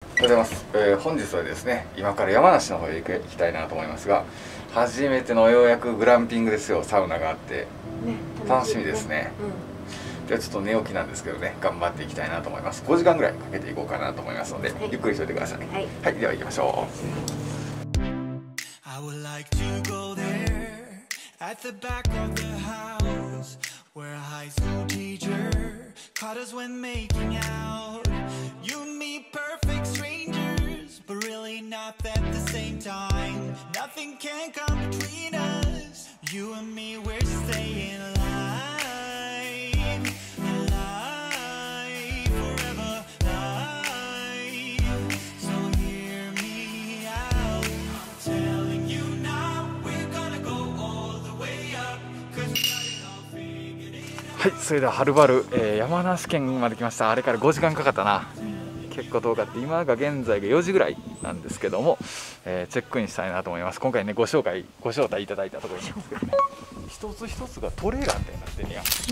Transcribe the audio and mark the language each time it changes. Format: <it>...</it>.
<ja>おはようございます、本日はですね、今から山梨の方へ行きたいなと思いますが、初めてのようやくグランピングですよ。サウナがあって、ね、楽しみですね、うん、ではちょっと寝起きなんですけどね、頑張っていきたいなと思います。5時間ぐらいかけていこうかなと思いますので、はい、ゆっくりしておいてください、はい、はい、では行きましょう。</ja> <en>I would like to go there at the back of the house where a high school teacher caught us when making out you and me perfect strangers but really not at the same time nothing can come between us you and me we're staying alive alive forever alive so hear me out telling you now we're gonna go all the way up cause we got it all figured out。</en> <ja>はい、それでははるばる、山梨県まで来ました。あれから5時間かかったな。結構遠かって、今が現在が4時ぐらいなんですけども、チェックインしたいなと思います。今回ね、ご招待いただいたところなんですけどね、一つ一つがトレーラーってなってるやん。</ja>